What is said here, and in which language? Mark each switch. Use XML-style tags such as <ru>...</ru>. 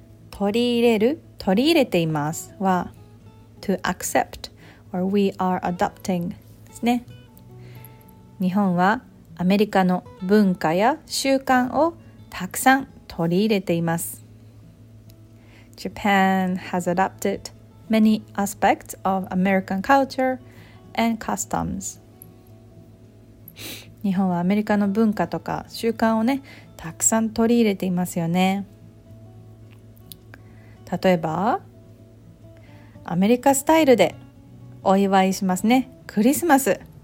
<ja>取り入れる、取り入れていますは</ja> <en>to accept or we are adopting</en> <ja>ですね。日本はアメリカの文化や習慣をたくさん取り入れています。</ja> <en>Japan has adopted many aspects of American culture and customs。</en> <ja>日本はアメリカの文化とか習慣をね、たくさん取り入れていますよね。例えばアメリカスタイルでお祝いしますね、クリスマス。</ja>